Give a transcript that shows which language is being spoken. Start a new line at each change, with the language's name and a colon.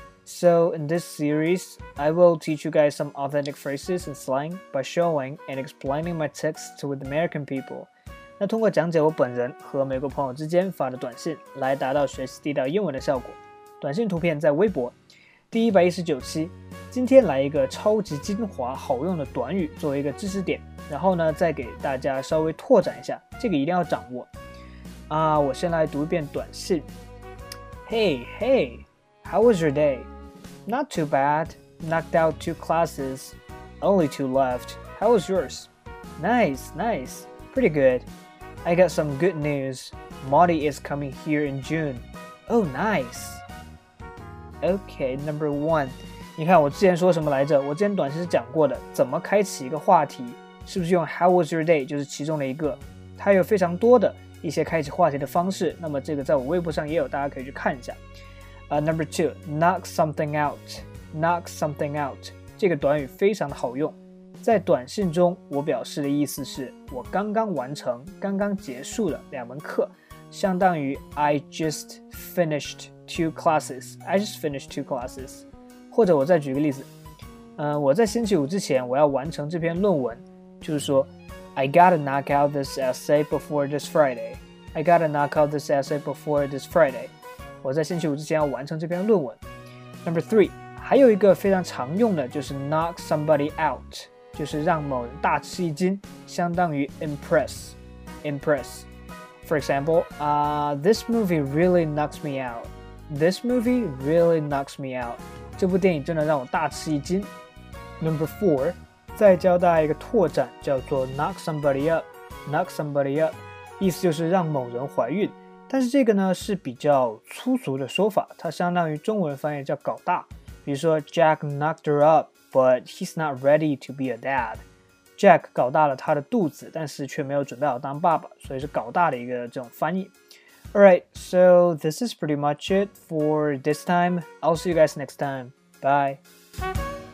English: So in this series, I will teach you guys some authentic phrases and slang by showing and explaining my texts with American people.
Chinese: 那通过讲解我本人和美国朋友之间发的短信，来达到学习地道英文的效果。短信图片在微博。第119期，今天来一个超级精华好用的短语作为一个知识点，然后呢再给大家稍微拓展一下，这个一定要掌握啊！我先来读一遍短信。
English: Hey, hey, how was your day? Not too bad, knocked out two classes, only two left, how was yours? Nice, nice, pretty good. I got some good news, Marty is coming here in June. Oh, niceOkay, number one.
Chinese: 你看我之前说什么来着，我之前短信是讲过的，怎么开启一个话题，是不是用
English: How was your day
Chinese: 就是其中的一个，它有非常多的一些开启话题的方式，那么这个在我微博上也有，大家可以去看一下。
English: Number two, knock something out. Knock something out.
Chinese: 这个短语非常的好用，在短信中我表示的意思是我刚刚完成刚刚结束了两门课，相当于
English: I just finished two classes. I just finished two classes.
Chinese: 或者我再举个例子，我在星期五之前我要完成这篇论文，就是说
English: I gotta knock out this essay before this Friday. I gotta knock out this essay before this Friday.
Chinese: 我在星期五之前要完成这篇论文。
English: Number three,
Chinese: 还有一个非常常用的就是 knock somebody out, 就是让某人大吃一惊，相当于 impress. Impress.
English: For example, this movie really knocks me out. This movie really knocks me out.
Chinese: 这部电影真的让我大吃一惊。
English: Number four,
Chinese: 再教大家一个拓展，叫做 knock somebody up. Knock somebody up, 意思就是让某人怀孕。但是这个呢是比较粗俗的说法，它相当于中文翻译叫搞大。比如说
English: Jack knocked her up, but he's not ready to be a dad.
Chinese: Jack 搞大了他的肚子，但是却没有准备好当爸爸，所以是搞大的一个这种翻译。
English: Alright, so this is pretty much it for this time. I'll see you guys next time. Bye.